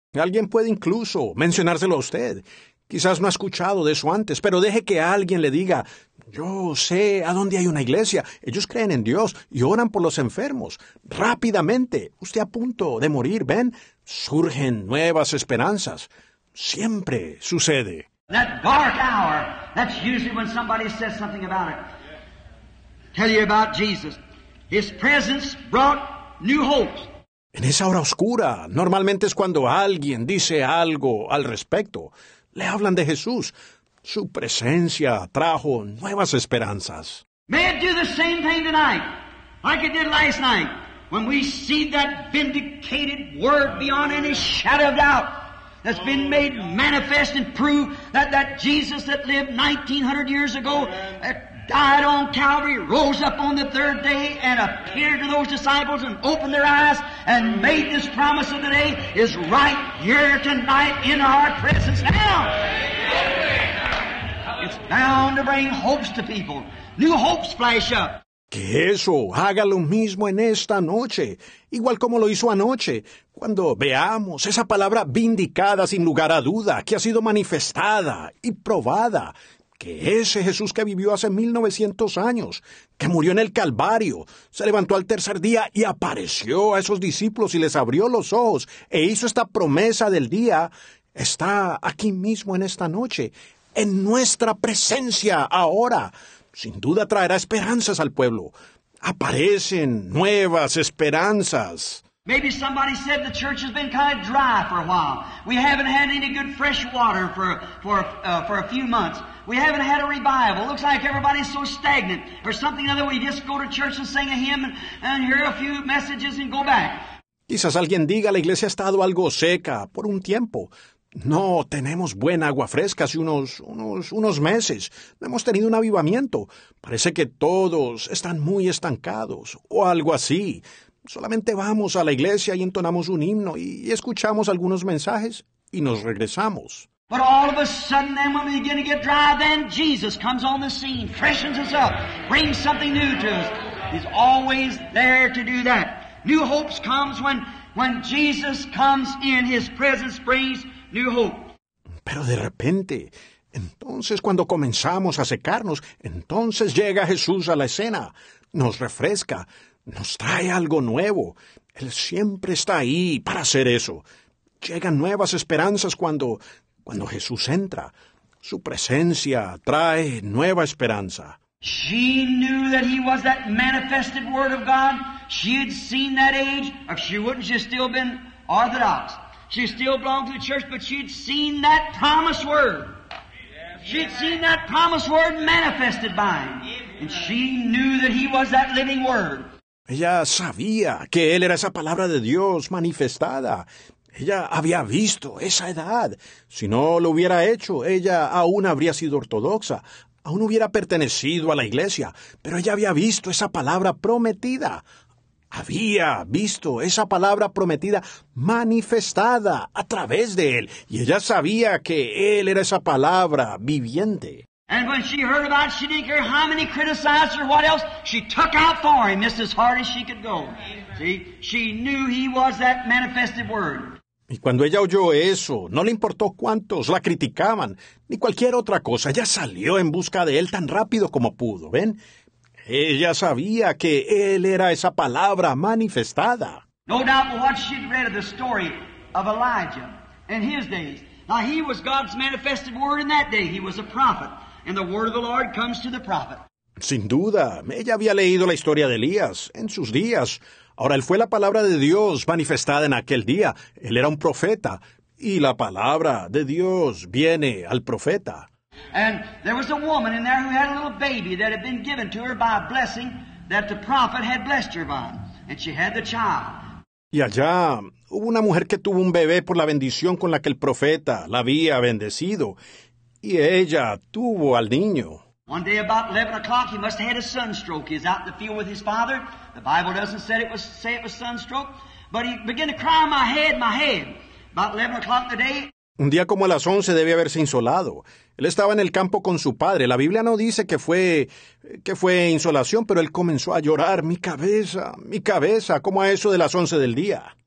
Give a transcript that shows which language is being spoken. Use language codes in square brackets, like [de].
[es] Alguien puede incluso mencionárselo a usted. Quizás no ha escuchado de eso antes, pero deje que alguien le diga, yo sé a dónde hay una iglesia. Ellos creen en Dios y oran por los enfermos. Rápidamente, usted a punto de morir, ¿ven? Surgen nuevas esperanzas. Siempre sucede. [en] That dark hour, that's usually when somebody says something about it. Tell you about Jesus. His presence brought new hopes. [es] En esa hora oscura, normalmente es cuando alguien dice algo al respecto. Le hablan de Jesús. Su presencia trajo nuevas esperanzas. [en] May it do the same thing tonight, like it did last night, when we see that vindicated word beyond any shadow of doubt that's been made manifest and proved that Jesus that lived 1900 years ago, died on Calvary, rose up on the third day, and appeared to those disciples and opened their eyes and made this promise of the day is right here tonight in our presence now. It's bound to bring hopes to people. New hopes flash up. [es] Que eso haga lo mismo en esta noche, igual como lo hizo anoche, cuando veamos esa palabra vindicada sin lugar a duda, que ha sido manifestada y probada. Que ese Jesús que vivió hace 1900 años, que murió en el Calvario, se levantó al tercer día y apareció a esos discípulos y les abrió los ojos e hizo esta promesa del día, está aquí mismo en esta noche, en nuestra presencia ahora. Sin duda traerá esperanzas al pueblo. Aparecen nuevas esperanzas. [en] Maybe somebody said the church has been kind of dry for a while. We haven't had any good fresh water for a few months. We haven't had a revival. It looks like everybody's so stagnant. Or something other, we just go to church and sing a hymn and hear a few messages and go back. [es] Quizás alguien diga la iglesia ha estado algo seca por un tiempo. No tenemos buena agua fresca hace unos meses. No hemos tenido un avivamiento. Parece que todos están muy estancados o algo así. Solamente vamos a la iglesia y entonamos un himno y escuchamos algunos mensajes y nos regresamos. [en] But all of a sudden, then when we begin to get dry, then Jesus comes on the scene, freshens us up, brings something new to us. He's always there to do that. New hopes comes when Jesus comes in, his presence brings new hope. [es] Pero de repente, entonces cuando comenzamos a secarnos, entonces llega Jesús a la escena, nos refresca. Nos trae algo nuevo. Él siempre está ahí para hacer eso. Llegan nuevas esperanzas cuando Jesús entra. Su presencia trae nueva esperanza. [en] She knew that he was that manifested word of God. She had seen that age. If she wouldn't, she'd still been Orthodox. She still belonged to the church, but she'd seen that promised word. She'd seen that promised word manifested by him. And she knew that he was that living word. [es] Ella sabía que él era esa palabra de Dios manifestada. Ella había visto esa edad. Si no lo hubiera hecho, ella aún habría sido ortodoxa. Aún hubiera pertenecido a la iglesia. Pero ella había visto esa palabra prometida. Había visto esa palabra prometida manifestada a través de él. Y ella sabía que él era esa palabra viviente. [en] And when she heard about it, she didn't care how many criticized her or what else. She took out for him just as hard as she could go. See, she knew he was that manifested word. [es] Y cuando ella oyó eso, no le importó cuántos la criticaban, ni cualquier otra cosa. Ella salió en busca de él tan rápido como pudo, ¿ven? Ella sabía que él era esa palabra manifestada. [en] No doubt what she'd read of the story of Elijah in his days. Now, he was God's manifested word in that day. He was a prophet. And the word of the Lord comes to the prophet. [es] Sin duda, ella había leído la historia de Elías en sus días. Ahora, él fue la palabra de Dios manifestada en aquel día. Él era un profeta. y la palabra de Dios viene al profeta. [en] And there was a woman in there who had a little baby that had been given to her by a blessing that the prophet had blessed her by. And she had the child. [es] Y allá hubo una mujer que tuvo un bebé por la bendición con la que el profeta la había bendecido. Y ella tuvo al niño. [en] One day about 11 o'clock, he must have had a sunstroke. He's out in the field with his father. The Bible doesn't say it was sunstroke. But he began to cry, my head, my head. About 11 o'clock in the day. [es] Un día como a las 11 debe haberse insolado. Él estaba en el campo con su padre. La Biblia no dice que fue insolación, pero él comenzó a llorar, mi cabeza, como a eso de las 11 del día.